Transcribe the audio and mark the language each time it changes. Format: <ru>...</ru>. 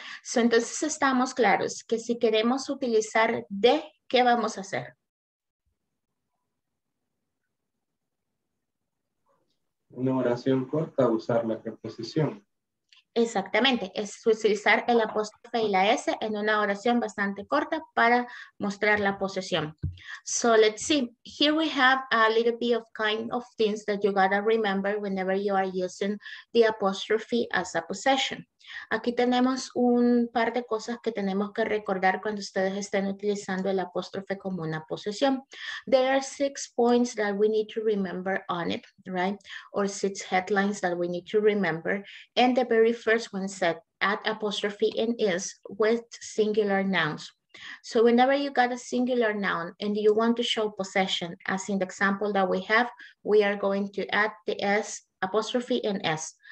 <es>So, entonces estamos claros que si queremos utilizar de, ¿qué vamos a hacer? Una oración corta, usar la preposición. Exactamente, es utilizar el apóstrofe y la S en una oración bastante corta para mostrar la posesión.</es> <en>So let's see, here we have a little bit of kind of things that you gotta remember whenever you are using the apostrophe as a possession.</en> <es>Aquí tenemos un par de cosas que tenemos que recordar cuando ustedes estén utilizando el apóstrofe como una posesión.</es> <en>There are 6 points that we need to remember on it, right? Or 6 headlines that we need to remember. And the very first one said, add apostrophe and is with singular nouns. So whenever you got a singular noun and you want to show possession, as in the example that we have, we are going to add the S, apostrophe and S.</en>